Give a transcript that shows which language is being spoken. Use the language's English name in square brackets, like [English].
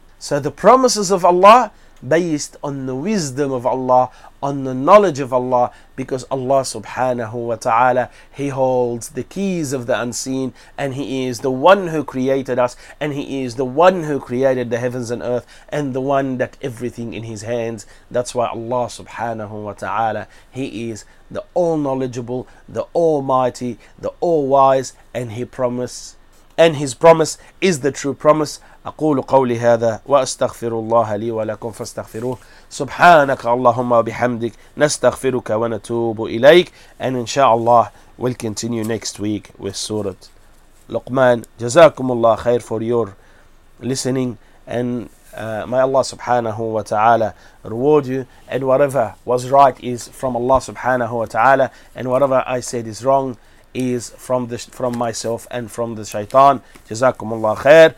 [English] So the promises of Allah based on the wisdom of Allah, on the knowledge of Allah, because Allah subhanahu wa ta'ala, He holds the keys of the unseen, and He is the one who created us, and He is the one who created the heavens and earth, and the one that everything in His hands. That's why Allah subhanahu wa ta'ala, He is the all-knowledgeable, the almighty, the all-wise, and He promised and His promise is the true promise. [Arabic] أقول قولي هذا وأستغفر الله لي ولكم فاستغفروه. سبحانك اللهم وبحمدك نستغفرك ونتوب إليك. [English] And inshallah we'll continue next week with Surah Luqman. جزاكم الله خير for your listening, and may Allah subhanahu wa ta'ala reward you, and whatever was right is from Allah subhanahu wa ta'ala, and whatever I said is wrong is from myself and from the shaitan. Jazakumullah khair.